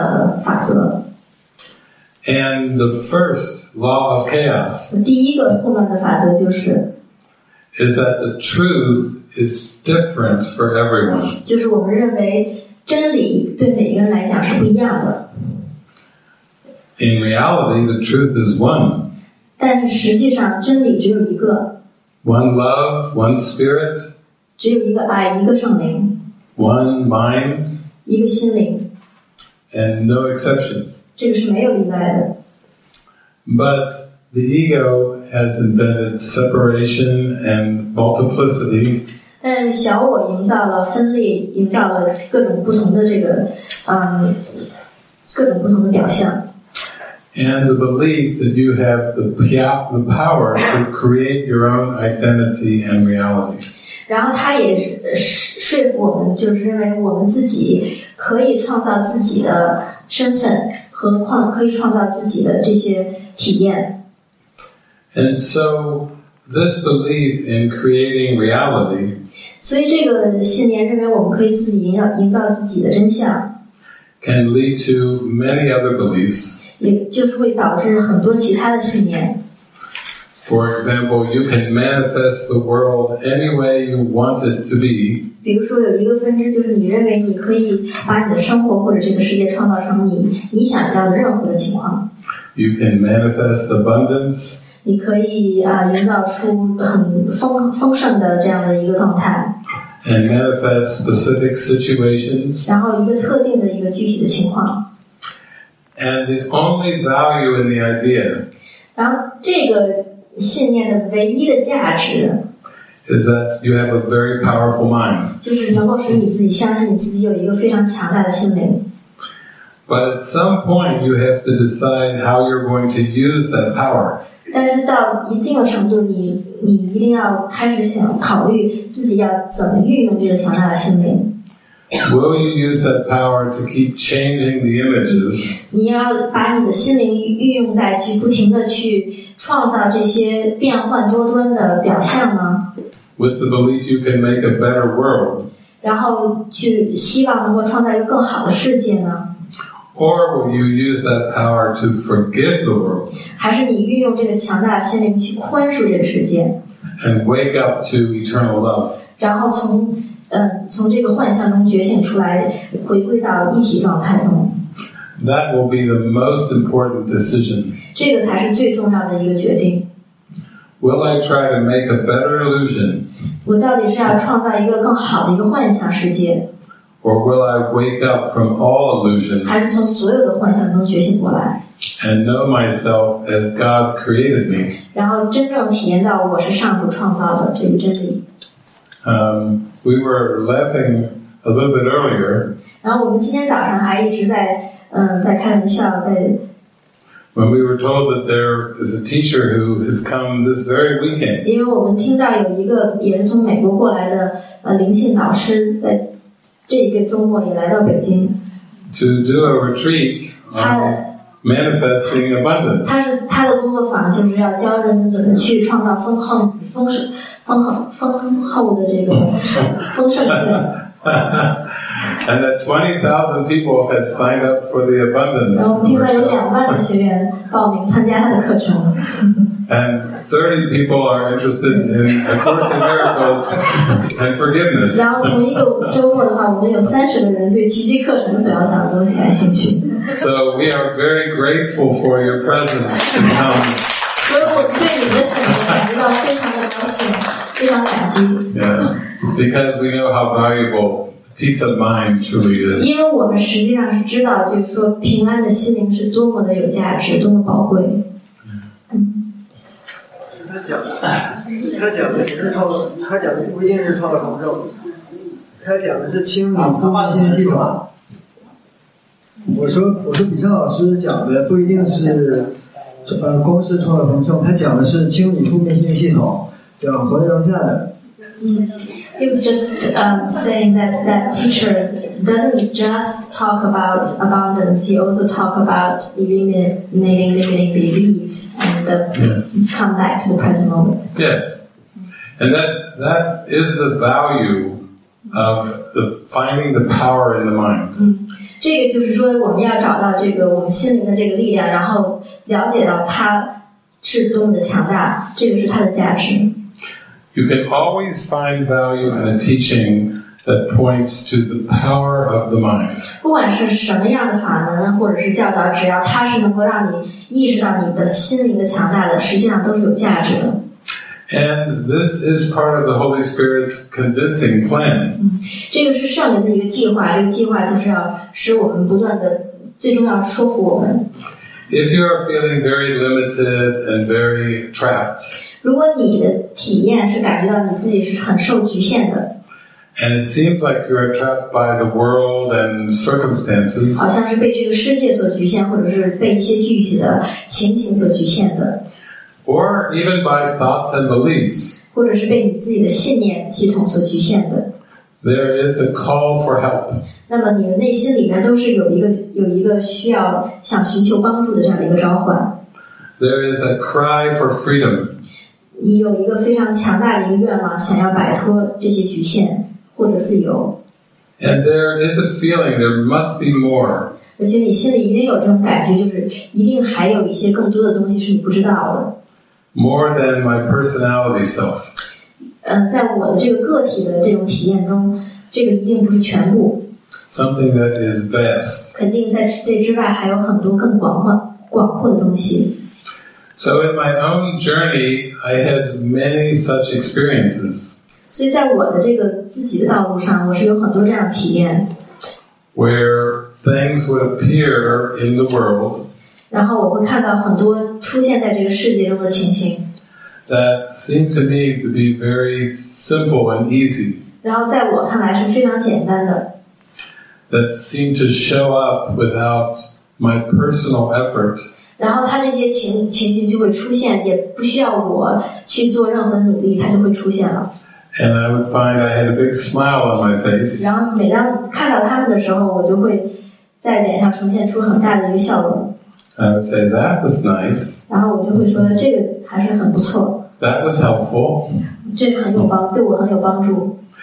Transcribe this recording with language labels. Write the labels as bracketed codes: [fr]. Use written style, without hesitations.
[zh] 因为在奇迹课程里面也有一章节，那个抬头就是说这个混乱的道理，混乱的法则。And [en] the first law of chaos. [zh] 第一个混乱的法则就是 [en] is that the truth is different for everyone. [zh] 就是我们认为真理对每个人来讲是不一样的。In [en] reality, the truth is one. [zh] 但实际上真理只有一个。One [en] love, one spirit. [zh] 只有一个爱，一个圣灵。One [en] mind. [zh] 一个心灵。And [en] no exceptions. [zh] 这个是没有例外的。But [en] the ego has invented separation and multiplicity. [zh] 但小我营造了分裂，营造了各种不同的这个，各种不同的表象。 [en] And the belief that you have the power to create your own identity and reality. [zh] 然后他也是, 说服我们，就是认为我们自己可以创造自己的身份，何况可以创造自己的这些体验。 [en] And so this belief in creating reality. [zh] 所以这个信念认为我们可以自己营造自己的真相。 [en] Can lead to many other beliefs. [zh] 也就是会导致很多其他的信念。 [en] For example, you can manifest the world any way you want it to be. [zh] 比如说有一个分支就是你认为你可以把你的生活或者这个世界创造成你想要的任何的情况。 [en] You can manifest abundance. [zh] 你可以营造出很丰盛的这样的一个状态。 [en] And manifest specific situations. [zh] 然后一个特定的一个具体的情况。 [en] And the only value in the idea. [zh] 然后这个信念的唯一的价值 [en] is that you have a very powerful mind. [zh] 就是能够使你自己相信你自己有一个非常强大的心灵。 [en] But at some point you have to decide how you're going to use that power. [zh] 但是到一定的程度你一定要开始想考虑自己要怎么运用这个强大的心灵。 [en] Will you use that power to keep changing the images? [zh] 你要把你的心灵运用在去不停的去创造这些变幻多端的表象吗？ [en] With the belief you can make a better world. [zh] 然后去希望能够创造一个更好的世界呢？ [en] Or will you use that power to forgive the world? [zh] 还是你运用这个强大的心灵去宽恕这个世界？ [en] And wake up to eternal love. [zh] 然后从这个幻象中觉醒出来，回归到一体状态中。 [en] That will be the most important decision. [zh] 这个才是最重要的一个决定。 [en] Will I try to make a better illusion? [zh] 我到底是要创造一个更好的一个幻象世界？ [en] Or will I wake up from all illusions? [zh] 还是从所有的幻象中觉醒过来？ [en] And know myself as God created me. [zh] 然后真正体验到我是上主创造的这个真理。 [en] We were laughing a little bit earlier. [zh] 然后我们今天早上还一直在开玩笑，在。 [en] When we were told that there is a teacher who has come this very weekend. [zh] 因为我们听到有一个也是从美国过来的灵性导师，在这个周末也来到北京。 [en] To do a retreat on manifesting abundance. [zh] 他的工作坊就是要教人们怎么去创造丰盛的这个 [en] And that 20,000 people had signed up for the abundance. [zh] 我们听到有20,000的学员报名参加他的课程。 [en] And 30 people are interested in A Course in Miracles and forgiveness. [zh] 然后同一个周末的话，我们有30个人对奇迹课程所要讲的东西感兴趣。 [en] So we are very grateful for your presence to come. [zh] 所以我对你的选择感觉到非常的高兴。 [en] Yeah, because we know how valuable peace of mind truly is. [zh] 因为我们实际上是知道，就是说平安的心灵是多么的有价值，多么宝贵。他讲的不一定是创造宇宙，他讲的是清理空间系统。我说李正老师讲的不一定是光是创造宇宙，他讲的是清理空间系统。 [en] He was just saying that teacher doesn't just talk about abundance, he also talk about limiting the beliefs and the come back to the present moment. Yes. And that is the value of the finding the power in the mind. [zh] 这个就是说我们要找到这个我们心灵的这个力量，然后了解到它是多么的强大，这个是它的价值。 [en] You can always find value in a teaching that points to the power of the mind. [zh] 不管是什么样的法门或者是教导，只要它是能够让你意识到你的心灵的强大的，实际上都是有价值的。 [en] And this is part of the Holy Spirit's convincing plan. [zh] 这个是圣灵的一个计划，这个计划就是要使我们不断的，最重要是说服我们。 [en] If you are feeling very limited and very trapped, [zh] 如果你的体验是感觉到你自己是很受局限的， [en] and it seems like you are trapped by the world and circumstances, [zh] 好像是被这个世界所局限，或者是被一些具体的情形所局限的， [en] or even by thoughts and beliefs, [zh] 或者是被你自己的信念系统所局限的， [en] There is a call for help. [zh] 那么你的内心里面都是有一个需要想寻求帮助的这样一个召唤。 [en] There is a cry for freedom. [zh] 你有一个非常强大的一个愿望，想要摆脱这些局限，获得自由。 [en] And there is a feeling there must be more. [zh] 而且你心里一定有这种感觉，就是一定还有一些更多的东西是你不知道的。 [en] More than my personality self. [zh] 在我的这个个体的这种体验中，这个一定不是全部。 [en] Something that is vast. [zh] 肯定在这之外还有很多更广阔的东西。 [en] So in my own journey, I had many such experiences. [zh] 所以在我的这个自己的道路上，我是有很多这样的体验。 [en] Where things would appear in the world. [zh] 然后我会看到很多出现在这个世界中的情形。 [en] That seemed to me to be very simple and easy. [zh] 然后在我看来是非常简单的。 [en] That seemed to show up without my personal effort. [zh] 然后他这些情形就会出现，也不需要我去做任何努力，他就会出现了。 [en] And I would find I had a big smile on my face. [zh] 然后每当看到他们的时候，我就会在脸上呈现出很大的一个笑容。 [en] I would say that was nice. [zh] 然后我就会说这个还是很不错。 [en] That was helpful. [zh] 这很有帮，对我很有帮助。